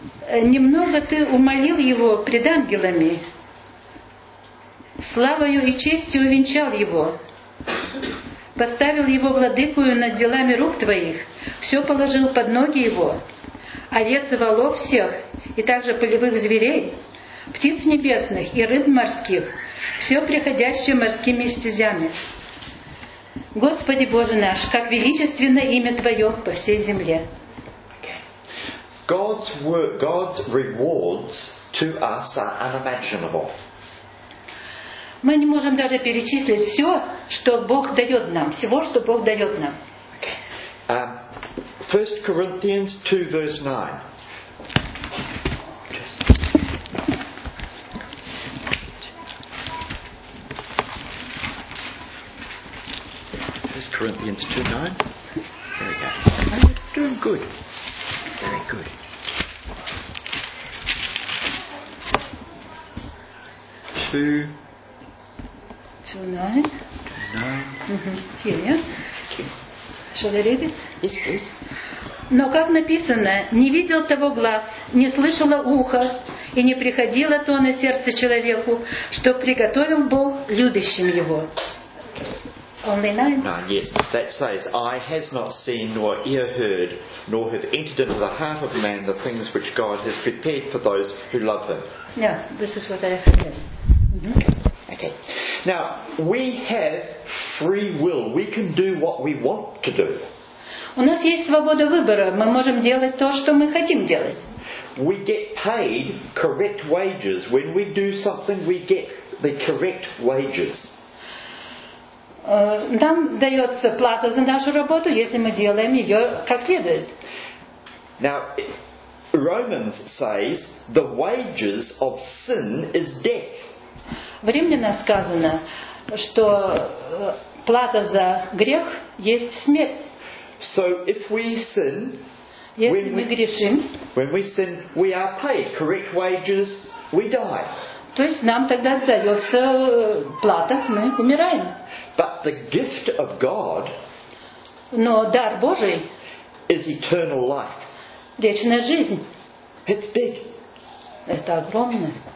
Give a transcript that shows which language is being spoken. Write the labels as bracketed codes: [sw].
[ru] Немного ты умолил его пред ангелами, славою и честью увенчал его, поставил его владыкою над делами рук твоих, все положил под ноги его, овец и волов всех, и также полевых зверей, птиц небесных и рыб морских, все приходящее морскими стезями. Господи Боже наш, как величественно имя Твое по всей земле. [en] God's rewards to us are unimaginable. [ru] Мы не можем даже перечислить все, что Бог дает нам, всего, что Бог дает нам. [en] 1 Corinthians 2, verse 9. Corinthians 2:9. There we go. You're doing good. Very good. Two nine. Mm-hmm. Here, yeah. Shall I read it? Yes, please. [ru] Но как написано, не видел того глаз, не слышало ухо, и не приходило то на сердце человеку, что приготовил Бог любящим его. [en] Only nine. Nine, yes. That says, eye has not seen, nor ear heard, nor have entered into the heart of man the things which God has prepared for those who love Him. Yeah, this is what I have heard. Mm-hmm. Okay. Now, we have free will. We can do what we want to do. [ru] У нас есть свобода выбора. Мы можем делать то, что мы хотим делать. [en] We get paid correct wages. When we do something, we get the correct wages. [ru] Нам дается плата за нашу работу, если мы делаем ее как следует. [en] Now, Romans says, the wages of sin is death. [ru] В Римлянах сказано, что плата за грех есть смерть. [en] So if we sin, [ru] если мы грешим, [en] when we sin, we are paid correct wages, we die. [ru] То есть нам тогда дается плата, мы умираем. [en] But the gift of God, [ru] но дар Божий, [en] is eternal life. [ru] Вечная жизнь. [en] It's big. [ru] Это огромное.